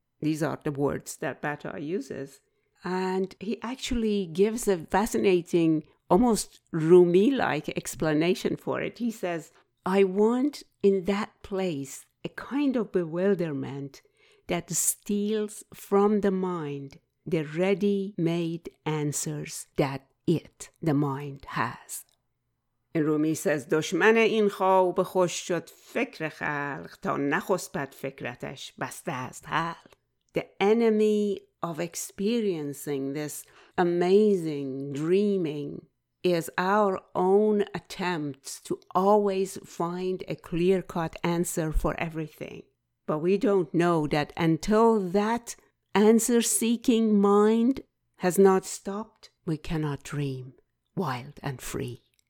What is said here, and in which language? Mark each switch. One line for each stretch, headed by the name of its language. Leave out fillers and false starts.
English: These are the words that Bataille uses. And he actually gives a fascinating, almost Rumi-like explanation for it. He says, I want in that place a kind of bewilderment that steals from the mind the ready-made answers that it, the mind, has. And Rumi says,
Persian: دشمن این خواب خوش شد فکر خلق تا نخسپد فکرتش بسته است حال.
English: The enemy of experiencing this amazing dreaming is our own attempts to always find a clear-cut answer for everything. But we don't know that until that answer-seeking mind has not stopped, we cannot dream wild and free.